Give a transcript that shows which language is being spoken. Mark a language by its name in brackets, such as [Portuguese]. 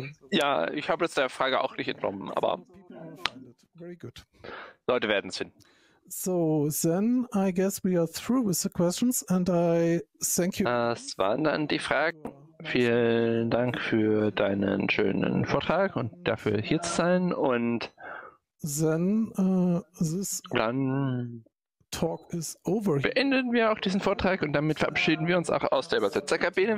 [German] Ja, ich habe jetzt der Frage auch nicht entnommen, aber Leute werden es finden. [English] So, then I guess we are through with the questions and I thank you. [German] Das waren dann die Fragen. Vielen Dank für deinen schönen Vortrag und dafür hier zu sein und dann [English] Talk is over. [German] Beenden wir auch diesen Vortrag und damit verabschieden wir uns auch aus der Übersetzerkabine.